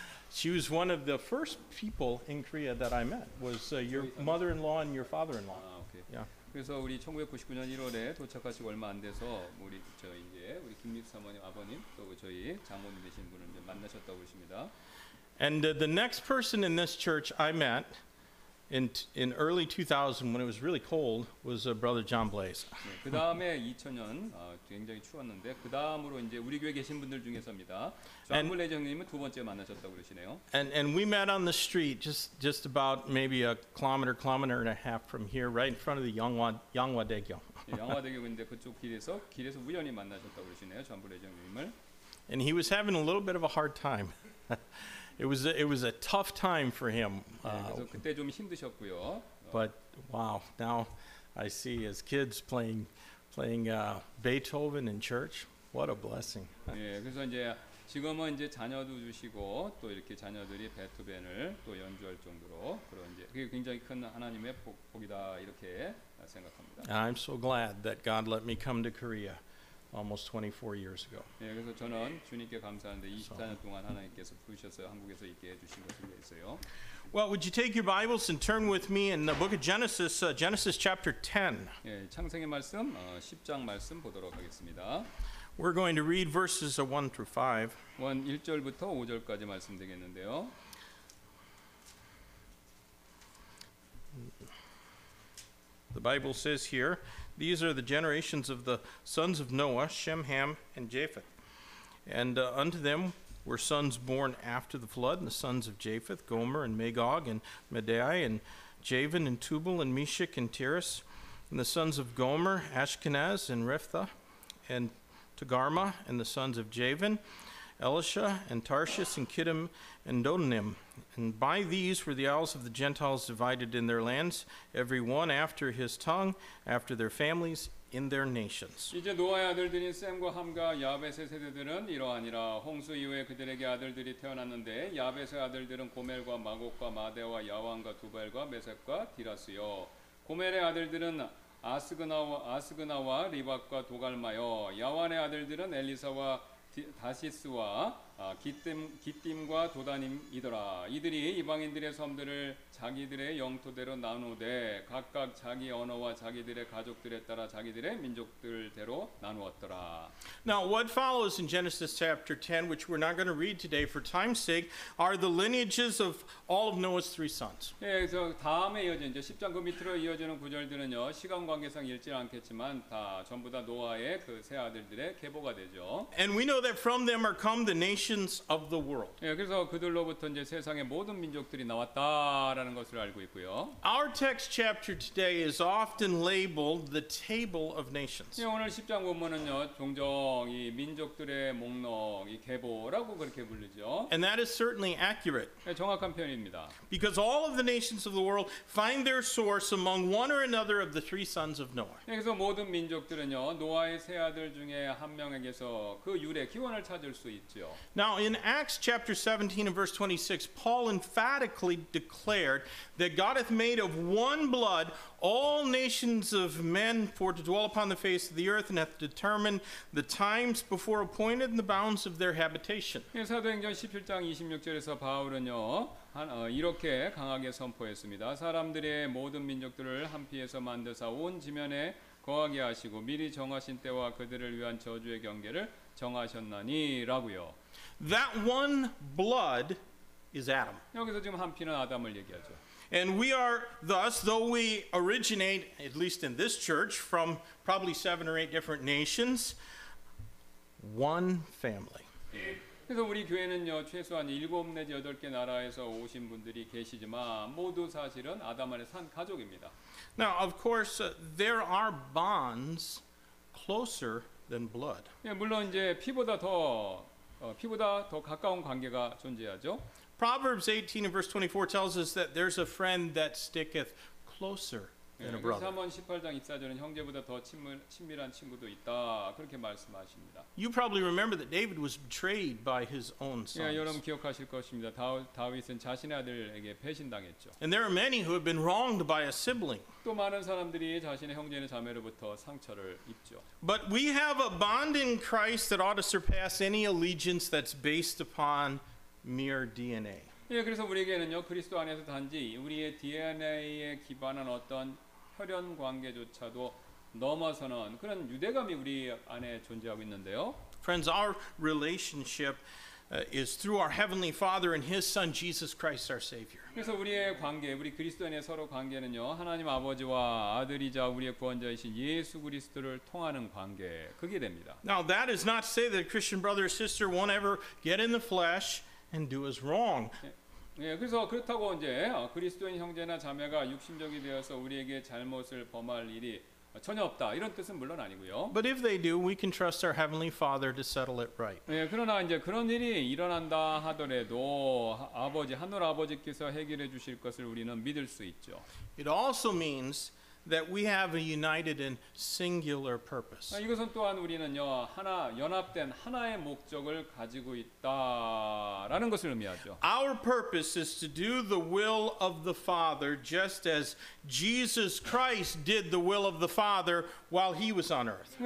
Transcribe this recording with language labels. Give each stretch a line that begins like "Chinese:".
English: She was one of the first people in Korea that I met. Was your mother-in-law and your father-in-law? Ah, okay. Yeah.
Korean: 그래서 우리 1999년 1월에 도착하시 얼마 안 돼서 우리 저 이제 우리 김립 사모님 아버님 또 저희 장모님 되신 분을 이제 만나셨다고 하십니다.
English: And the next person in this church I met In early 2000, when it was really cold, was Brother John Blaze.
Korean: 그 다음에 2000년 굉장히 추웠는데 그 다음으로 이제 우리 교회 계신 분들 중에서입니다. 존 블레이즈 형님은 두 번째 만나셨다고 그러시네요.
English: And we met on the street just about maybe a kilometer and a half from here, right in front of the Yonghwa-daegyo.
Korean: 양화대교 근데 그쪽 길에서 우연히 만나셨다고 그러시네요, 존 블레이즈 형님을.
English: And he was having a little bit of a hard time. It was a tough time for him.
Korean: 그래서 그때 좀 힘드셨고요.
English: But wow, now I see his kids playing Beethoven in church. What a blessing.
Korean: 예, 그래서 이제 지금은 이제 자녀도 주시고 또 이렇게 자녀들이 베토벤을 또 연주할 정도로 그런 이제 그게 굉장히 큰 하나님의 복이다 이렇게 생각합니다.
English: I'm so glad that God let me come to Korea. Almost 24 years ago.
Korean: 예, 그래서 저는 주님께 감사하는데 24년 동안 하나님께서 부르셔서 한국에서 있게 해주신 것을 위해서요.
English: Well, would you take your Bibles and turn with me in the book of Genesis, Genesis chapter 10.
Korean: 예, 창세기 말씀, 10장 말씀 보도록 하겠습니다.
English: We're going to read verses 1 through 5.
Korean: 1절부터 5절까지 말씀드리겠는데요.
English: The Bible says here, these are the generations of the sons of Noah, Shem, Ham, and Japheth. And unto them were sons born after the flood, and the sons of Japheth, Gomer, and Magog, and Madai, and Javan, and Tubal, and Meshech, and Tiras. And the sons of Gomer, Ashkenaz, and Riphtha, and Togarma, and the sons of Javan, Elisha, and Tarshish, and Kittim, and Dodanim. And by these were the isles of the Gentiles divided in their lands, every one after his tongue, after their families, in their nations.
Korean: 이제 노아의 아들들인 샘과 함과 야벳의 세대들은 이러하니라. 홍수 이후에 그들에게 아들들이 태어났는데 야벳의 아들들은 고멜과 마곡과 마대와 야완과 두발과 메섹과 디라스요. 고멜의 아들들은 아스그나와 리밧과 도갈마요. 야완의 아들들은 엘리사와 다시스와 기띔과 도다님이더라. 이들이 이방인들의 섬들을 자기들의 영토대로 나누되 각각 자기 언어와 자기들의 가족들에 따라 자기들의 민족들대로 나누었더라.
English: Now what follows in Genesis chapter 10, which we're not going to read today for time's sake, are the lineages of all of Noah's three sons.
Korean: 예, 그래서 다음에 이어진 이제 10장 그 밑으로 이어지는 구절들은요 시간 관계상 읽지 않겠지만 다 전부 다 노아의 그 세 아들들의 계보가 되죠.
English: And we know that from them are come the nations of the world.
Korean: 예, 그래서 그들로부터 이제 세상의 모든 민족들이 나왔다.
English: Our text chapter today is often labeled the Table of Nations.
Korean: 예, 오늘 10장 본문은요, 종종 이 민족들의 목록, 이 계보라고 그렇게 부르죠.
English: And that is certainly accurate.
Korean: 예, 정확한 표현입니다.
English: Because all of the nations of the world find their source among one or another of the three sons of Noah.
Korean: 예, 그래서 모든 민족들은요, 노아의 세 아들 중에 한 명에게서 그 유래 기원을 찾을 수 있죠.
English: Now in Acts chapter 17 and verse 26, Paul emphatically declared that God hath made of one blood all nations of men for to dwell upon the face of the earth and hath determined the times before appointed and the bounds of their habitation.
Korean: 사도행전 17장 26절에서 바울은요 이렇게 강하게 선포했습니다. 사람들의 모든 민족들을 한 피에서 만드사 온 지면에 거하게 하시고 미리 정하신 때와 그들을 위한 저주의 경계를 정하셨나니라고요.
English: That one blood is Adam.
Korean: 여기서 지금 한 피는 아담을 얘기하죠.
English: And we are thus, though we originate, at least in this church, from probably seven or eight different nations, one family.
Korean: 그래서 우리 교회는요 최소한 일곱 내지 여덟 개 나라에서 오신 분들이 계시지만 모두 사실은 아담 안에 산 가족입니다.
English: Now, of course, there are bonds closer than blood.
Korean: 예, 물론 이제 피보다 더 가까운 관계가 존재하죠.
English: Proverbs 18 and verse 24 tells us that there's a friend that sticketh closer than a brother.
Korean: 3원 18장 24절은 형제보다 더 친밀한 친구도 있다 그렇게 말씀하십니다.
English: You probably remember that David was betrayed by his own sons.
Korean: 예, 여러분 기억하실 것입니다. 다윗은 자신의 아들에게 배신당했죠.
English: And there are many who have been wronged by a sibling.
Korean: 또 많은 사람들이 자신의 형제나 자매로부터 상처를 입죠.
English: But we have a bond in Christ that ought to surpass any allegiance that's based upon mere DNA.
Korean: 예, 그래서 우리에게는요 그리스도 안에서 단지 우리의 DNA에 기반한 어떤 혈연 관계조차도 넘어서는 그런 유대감이 우리 안에 존재하고 있는데요.
English: Friends, our relationship is through our heavenly Father and His Son Jesus Christ, our Savior.
Korean: 그래서 우리의 관계, 우리 그리스도 안의 서로 관계는요, 하나님 아버지와 아들이자 우리의 구원자이신 예수 그리스도를 통하는 관계, 그게 됩니다.
English: Now that is not to say that a Christian brother or sister won't ever get in the flesh and do us wrong.
Korean: 예, 그래서 그렇다고 이제 그리스도인 형제나 자매가 육신적이 되어서 우리에게 잘못을 범할 일이 전혀 없다 이런 뜻은 물론 아니고요.
English: But if they do, we can trust our heavenly Father to settle it right.
Korean: 예, 그러나 이제 그런 일이 일어난다 하더라도 아버지 하늘 아버지께서 해결해 주실 것을 우리는 믿을 수 있죠.
English: It also means that we have a united and singular purpose.
Korean: 이것은 또한 우리는요 하나 연합된 하나의 목적을 가지고 있다라는 것을 의미하죠.
English: Our purpose is to do the will of the Father, just as Jesus Christ did the will of the Father while He was on earth.